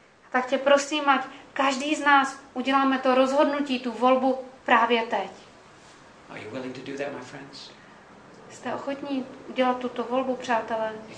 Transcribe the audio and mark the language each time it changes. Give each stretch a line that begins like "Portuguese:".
Czech: Tak tě prosím, ať každý z nás uděláme to rozhodnutí, tu volbu právě teď.
English: Are you willing to do that, my friends?
Czech: Jste ochotní dělat tuto volbu, přátelé?